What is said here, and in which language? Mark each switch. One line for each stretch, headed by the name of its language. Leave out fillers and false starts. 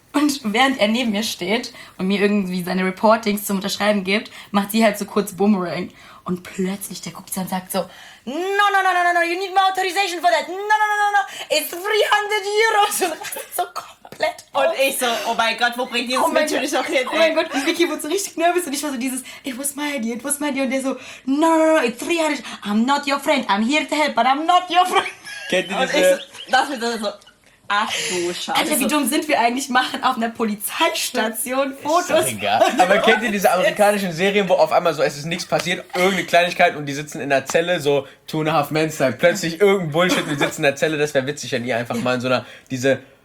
German: Und während er neben mir steht und mir irgendwie seine Reportings zum Unterschreiben gibt, macht sie halt so kurz Boomerang. Und plötzlich, der guckt sie und sagt so,
English: no, you need my authorization for that. No, it's 300 euros.
German: Und so, komm. Und ich so, oh mein Gott, wo bringt ihr das natürlich auch hin? Oh mein Gott, und Vicky wurde so richtig nervös und ich war so dieses,
English: it was my idea.
German: Und der so,
English: no, it's 300, I'm not your friend, I'm here to help, but I'm not your friend.
German: Kennt ihr das? Das wird so, ach du Scheiße. Alter, wie dumm sind wir eigentlich, machen auf einer Polizeistation Fotos. Ist egal. Aber kennt ihr diese amerikanischen Serien, wo auf einmal so, es ist nichts passiert, irgendeine Kleinigkeit und die sitzen in der Zelle, so 2.5 Men-Style, plötzlich irgendein Bullshit und die sitzen in der Zelle, das wäre witzig, wenn ihr einfach mal in so einer, diese...